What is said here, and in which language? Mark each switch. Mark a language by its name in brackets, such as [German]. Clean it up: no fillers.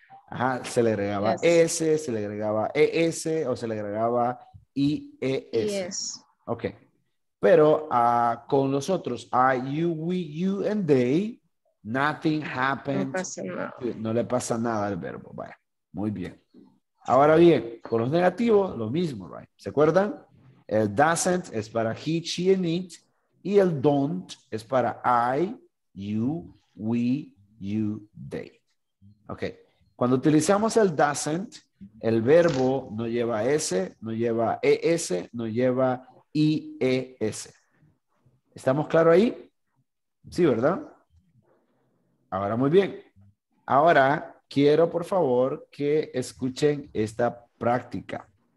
[Spanish] Ajá, se le agregaba S, se le agregaba ES o se le agregaba IES. [English] Yes. [Spanish] Okay. Pero con los otros, I, you, we, you, and they, [English] nothing happened. [Spanish] No le pasa nada al verbo. Vaya, muy bien. Ahora bien, con los negativos, lo mismo, right? ¿Se acuerdan? El doesn't es para he, she, and it. Y el don't es para I, you, we, you, they. Ok. Cuando utilizamos el doesn't, el verbo no lleva S, no lleva ES, no lleva IES. ¿Estamos claros ahí? Sí, ¿verdad? Ahora, muy bien. Ahora, quiero, por favor, que escuchen esta práctica.